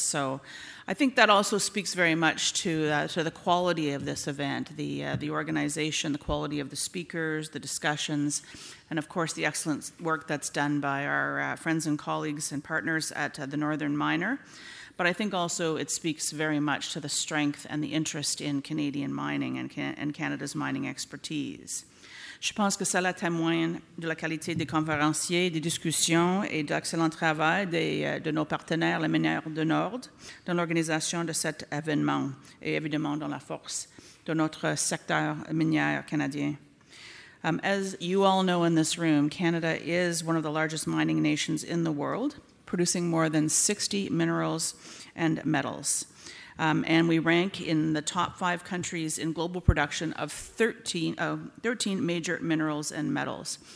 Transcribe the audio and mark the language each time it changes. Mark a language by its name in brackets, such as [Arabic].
[English] So I think that also speaks very much to the quality of this event, the organization, the quality of the speakers, the discussions, and of course the excellent work that's done by our friends and colleagues and partners at the Northern Miner. But I think also it speaks very much to the strength and the interest in Canadian mining and Canada's mining expertise. [French] Je pense que cela témoigne de la qualité des conférenciers, des discussions et d'excellent travail de nos partenaires, les meneurs de Nord, dans l'organisation de cet événement et évidemment dans la force de notre secteur minier canadien. [English] As you all know in this room, Canada is one of the largest mining nations in the world, producing more than 60 minerals and metals. And we rank in the top five countries in global production of 13 major minerals and metals.